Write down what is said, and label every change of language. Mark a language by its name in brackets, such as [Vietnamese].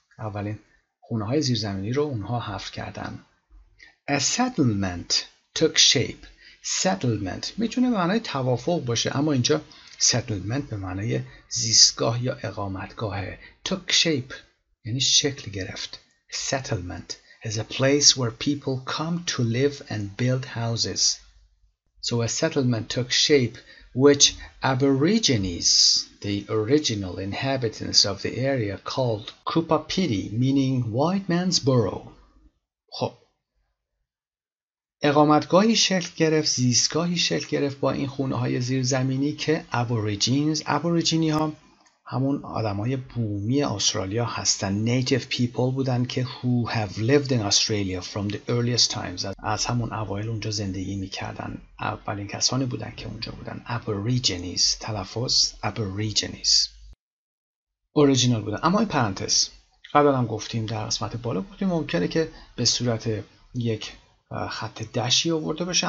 [Persian] اولین خونه های زیرزمینی رو اونها حفر کردن. [English] A settlement took shape. [Persian] Settlement میتونه به معنای توافق باشه اما اینجا settlement به معنای زیستگاه یا اقامتگاهه. Took shape یعنی شکل گرفت. [English] Settlement is a place where people come to live and build houses. So a settlement took shape which aborigines, the original inhabitants of the area, called Kupapiti, meaning white man's burrow. [Persian] خب. اقامتگاهی شکل گرفت، زیستگاهی شکل گرفت با این خونه های زیرزمینی که aborigines, aborigine ها همون آدم های بومی استرالیا هستن. [English] Native people [Persian] بودن که [English] who have lived in Australia from the earliest times. [Persian] از همون اوائل اونجا زندگی میکردن. اولین کسانی بودن که اونجا بودن. Aborigines. تلفظ Aborigines. Original بودن. اما این پرانتز. قبل هم گفتیم در قسمت بالا گفتیم ممکنه که به صورت یک خط دشی آورده بشه.